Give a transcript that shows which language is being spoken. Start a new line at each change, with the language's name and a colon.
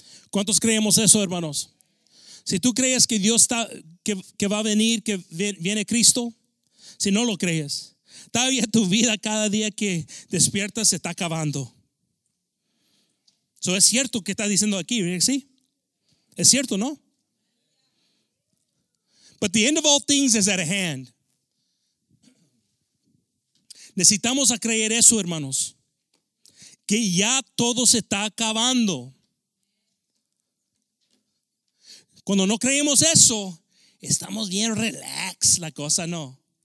Spanish: ¿Cuántos creemos eso, hermanos? Si tú crees que Dios está, que va a venir, que viene Cristo, si no lo crees, todavía tu vida cada día que despiertas se está acabando. Eso es cierto que está diciendo aquí, ¿sí? Es cierto, ¿no?
English: But the end of all things is at hand.
Spanish: Necesitamos a creer eso, hermanos, que ya todo se está acabando. Cuando no creemos eso, estamos bien relax la cosa, ¿no?